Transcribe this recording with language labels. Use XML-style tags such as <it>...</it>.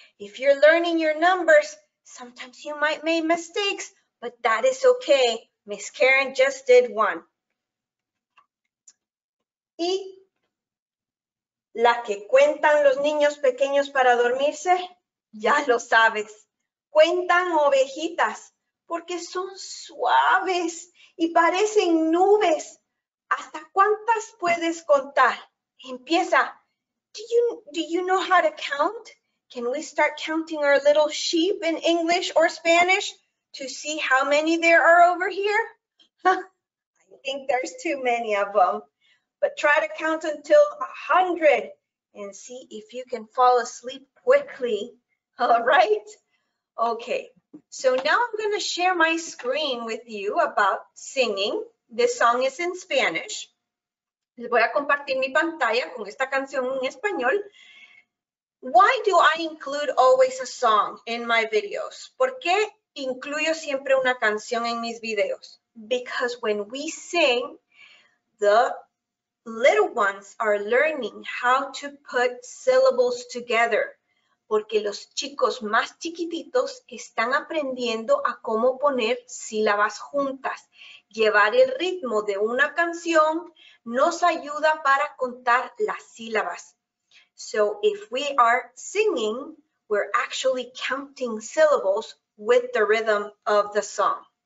<en>If you're learning your numbers, sometimes you might make mistakes, but that is okay. Miss Karen just did one.</en> <es>Y la que cuentan los niños pequeños para dormirse, ya lo sabes. Cuentan ovejitas. porque son suaves y parecen nubes. ¿Hasta cuántas puedes contar? Empieza.</es> <en>Do you know how to count? Can we start counting our little sheep in English or Spanish to see how many there are over here? Huh, I think there's too many of them. But try to count until 100 and see if you can fall asleep quickly. All right? Okay, so now I'm going to share my screen with you about singing. This song is in Spanish.</en> <es>Les voy a compartir mi pantalla con esta canción en español.</es> <en>Why do I include always a song in my videos?</en> <es>¿Por qué incluyo siempre una canción en mis videos?</es> <en>Because when we sing, the little ones are learning how to put syllables together.</en> <es>Porque los chicos más chiquititos están aprendiendo a cómo poner sílabas juntas. Llevar el ritmo de una canción nos ayuda para contar las sílabas.</es> <en>So if we are singing, we're actually counting syllables with the rhythm of the song.</en>